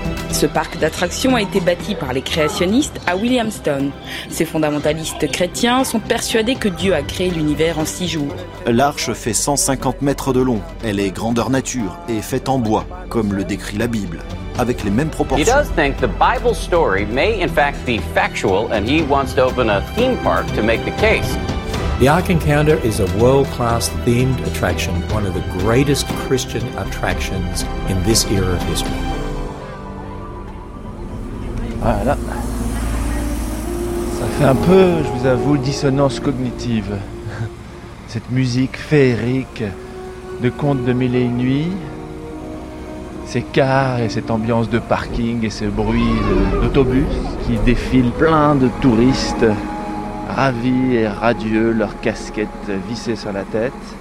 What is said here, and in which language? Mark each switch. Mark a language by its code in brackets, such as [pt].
[fr] Ce parc d'attractions a été bâti par les créationnistes à Williamstown. Ces fondamentalistes chrétiens sont persuadés que Dieu a créé l'univers en 6 jours. L'arche fait 150 mètres de long. Elle est grandeur nature et est faite en bois, comme le décrit la Bible, avec les mêmes proportions. [en] He does think the Bible story may in fact be factual and he wants to open a theme park to make the case. The Ark Encounter is a world-class themed attraction, one of the greatest Christian attractions in this era of history. [fr] Voilà. Ça fait un peu, je vous avoue, dissonance cognitive. Cette musique féerique de Contes de mille et une nuits, ces cars et cette ambiance de parking et ce bruit d'autobus qui défile plein de touristes ravis et radieux, leurs casquettes vissées sur la tête.